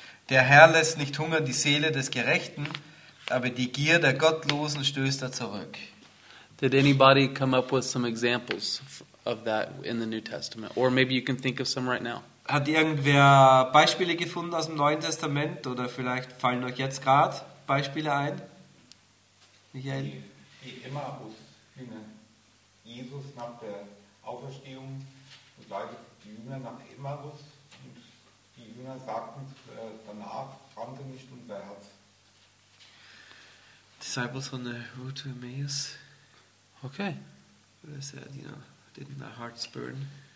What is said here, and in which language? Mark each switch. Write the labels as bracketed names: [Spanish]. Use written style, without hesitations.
[German] Der Herr lässt nicht hungern die Seele des Gerechten, aber die Gier der Gottlosen stößt er zurück. [English] Did anybody come up with some examples of that in the New Testament? Or maybe you can think of some right now. [German] Hat irgendwer Beispiele gefunden aus dem Neuen Testament? Oder vielleicht fallen euch jetzt gerade Beispiele ein? Michael? Die Emmaus-Jünger. Jesus nach der Auferstehung begleitet die Jünger nach Emmaus. Und die Jünger sagten danach, brannte nicht unser Herz. [English] Disciples on the road to Emmaus. Okay. They said, you know, didn't their hearts burn?